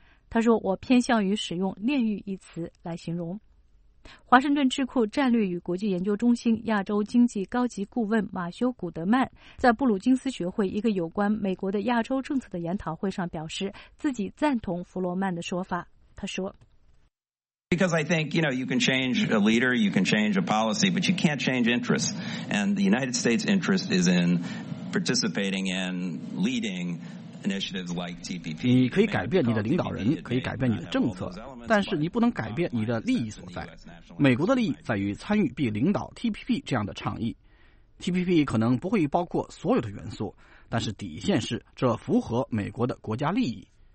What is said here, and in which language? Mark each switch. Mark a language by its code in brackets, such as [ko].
[zh] 他说我偏向于使用炼狱一词来形容。华盛顿智库战略与国际研究中心亚洲经济高级顾问马修·古德曼在布鲁金斯学会一个有关美国的亚洲政策的研讨会上表示自己赞同弗罗曼的说法。他说 [en] Because I think, you know, you can change a leader, you can change a policy, but you can't change interests. And the United States' interest is in participating and leading initiatives like TPP. [zh] 你可以改变你的领导人，可以改变你的政策，但是你不能改变你的利益所在。美国的利益在于参与并领导 TPP 这样的倡议。 TPP 可能不会包括所有的元素，但是底线是这符合美国的国家利益。